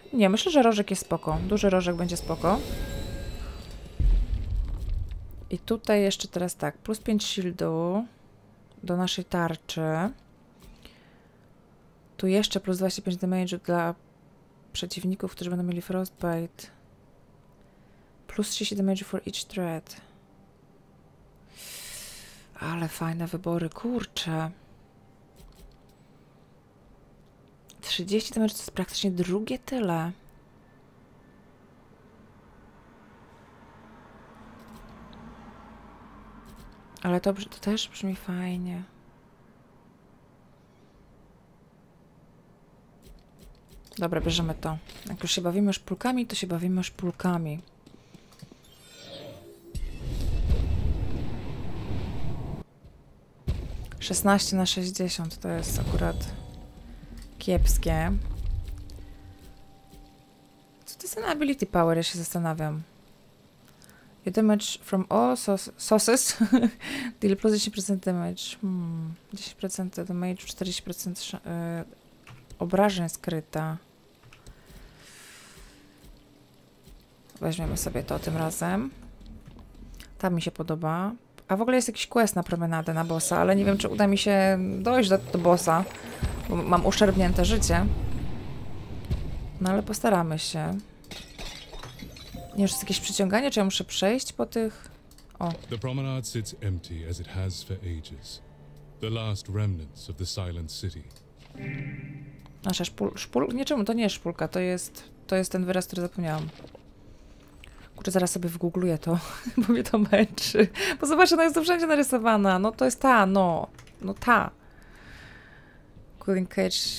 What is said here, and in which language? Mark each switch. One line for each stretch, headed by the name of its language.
Polish: Nie, myślę, że rożek jest spoko. Duży rożek będzie spoko. I tutaj jeszcze teraz tak, plus 5 shieldu do naszej tarczy. Tu jeszcze plus 25 damage'u dla przeciwników, którzy będą mieli Frostbite.
English: Plus 30 damage for each threat.
Polish: Ale fajne wybory, kurczę. 30 damage to jest praktycznie drugie tyle. Ale to też brzmi fajnie. Dobra, bierzemy to. Jak już się bawimy szpulkami, to się bawimy szpulkami. XVI/60 to jest akurat kiepskie. Co to jest na ability power, ja się zastanawiam.
English: Your damage from all sources deal plus 10% damage.
Polish: 10% damage, 40% obrażeń skryta. Weźmiemy sobie to tym razem. Ta mi się podoba. A w ogóle jest jakiś quest na promenadę na bossa, ale nie wiem, czy uda mi się dojść do bossa, bo mam uszczerbnięte życie. No ale postaramy się. Nie, czy jest jakieś przyciąganie, czy ja muszę przejść po tych... O.
English: The promenade sits empty as it has for ages. The last remnants of the silent city.
Polish: Nasza szpulka? Nie, czemu? To nie jest szpulka, to jest ten wyraz, który zapomniałam. Kurczę, zaraz sobie wygoogluję to, bo mnie to męczy. Bo zobacz, ona jest tu wszędzie narysowana. No to jest ta, no. No ta. Cooling cage.